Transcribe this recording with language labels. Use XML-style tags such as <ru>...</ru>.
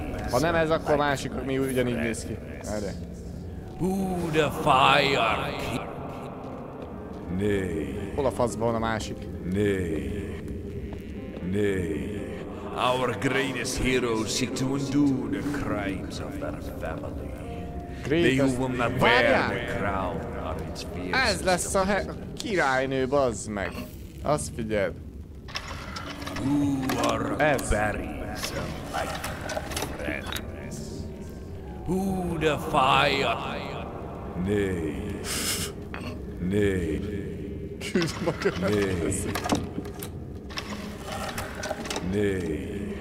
<hu>Ha nem ez, akkor másik, mi ugyanígy néz ki. Várja.</hu> <en>Who defy our king? Nay.</en> <hu>Hol a faszban van a másik?</hu> <en>Nay. Nay. Our greatest heroes seek to undo the crimes of their family. Greatest. They who will not bear the crown are its fiercest.</en> <hu>Ez lesz a királynő, bazd meg. Azt figyeld.</hu> <en>Who are Barry's unlikely friends? Who defy our king? Nay. Nay.</en> <hu>Küld maga.</hu> <en>Nay. Nay.</en>